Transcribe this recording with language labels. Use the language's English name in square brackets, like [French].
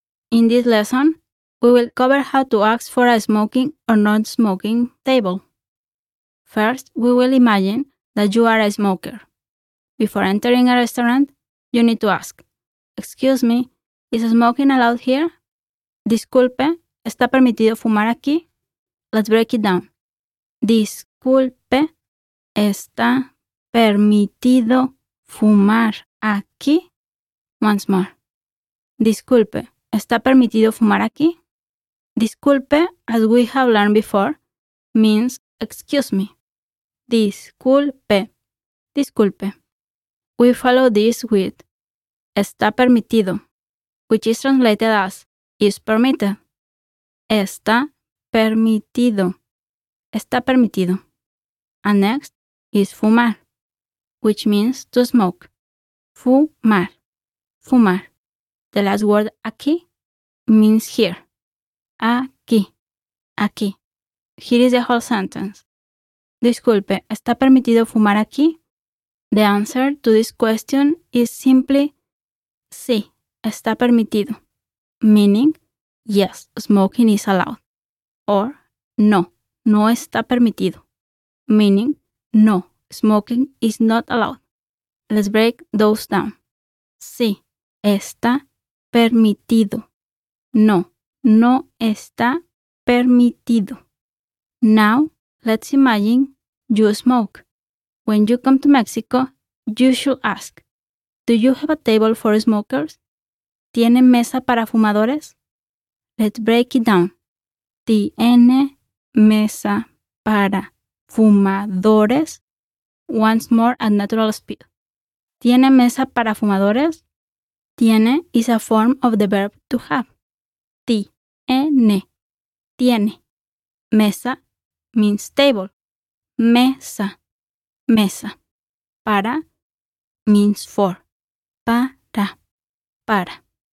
[English] In this lesson, we will cover how to ask for a smoking or non-smoking table. First, we will imagine that you are a smoker. Before entering a restaurant, you need to ask, "Excuse me, is smoking allowed here?" [Spanish] "Disculpe, ¿está permitido fumar aquí?" [English] Let's break it down. [Spanish] Disculpe, ¿está permitido fumar aquí? [English] Once more. [Spanish] Disculpe, ¿está permitido fumar aquí? [English] Disculpe, as we have learned before, means excuse me. [Spanish] Disculpe, disculpe. [English] We follow this with está permitido, which is translated as is permitted. [Spanish] Está permitido, está permitido. [English] And next is fumar, which means to smoke. [Spanish] Fumar, fumar. [English] The last word aquí means here. [Spanish] Aquí, aquí. [English] Here is the whole sentence. [Spanish] Disculpe, ¿está permitido fumar aquí? [English] The answer to this question is simply [Spanish] sí, está permitido, [English] meaning yes, smoking is allowed, or [Spanish] no, no está permitido, [English] meaning no, smoking is not allowed. Let's break those down. [Spanish] Sí, está permitido. No, no está permitido. [English] Now, let's imagine you smoke. When you come to Mexico, you should ask, "Do you have a table for smokers?" [Spanish] ¿Tienen mesa para fumadores? [English] Let's break it down. [Spanish] ¿Tiene mesa para fumadores? [English] Once more at natural speed. [Spanish] ¿Tiene mesa para fumadores? [English] Tiene is a form of the verb to have. [Spanish] Tiene. Tiene. Mesa [English] means table. [Spanish] Mesa. Mesa. Para [English] means for. [Spanish] Para. Para.